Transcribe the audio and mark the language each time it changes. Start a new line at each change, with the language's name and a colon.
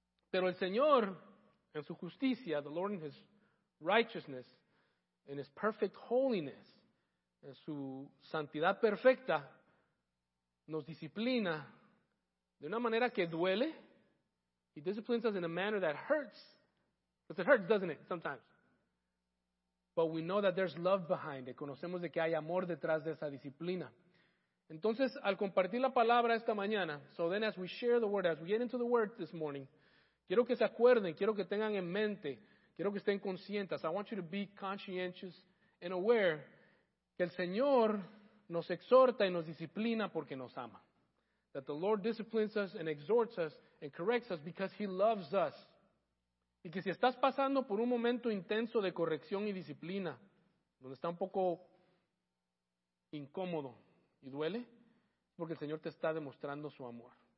Spanish: Pero el Señor, en su justicia,
English: the Lord in His righteousness, in His perfect holiness,
Spanish: en su santidad perfecta, nos disciplina de una manera que duele.
English: He disciplines us in a manner that hurts. Because it hurts, doesn't it, sometimes? But we know that there's love behind it.
Spanish: Conocemos de que hay amor detrás de esa disciplina. Entonces, al compartir la palabra esta mañana,
English: so then as we share the word, as we get into the word this morning,
Spanish: quiero que se acuerden, quiero que tengan en mente, quiero que estén conscientes.
English: I want you to be conscientious and aware
Spanish: que el Señor nos exhorta y nos disciplina porque nos ama.
English: That the Lord disciplines us and exhorts us and corrects us because He loves us.
Spanish: Y que si estás pasando por un momento intenso de corrección y disciplina, donde está un poco incómodo, y duele porque el Señor te está demostrando su amor.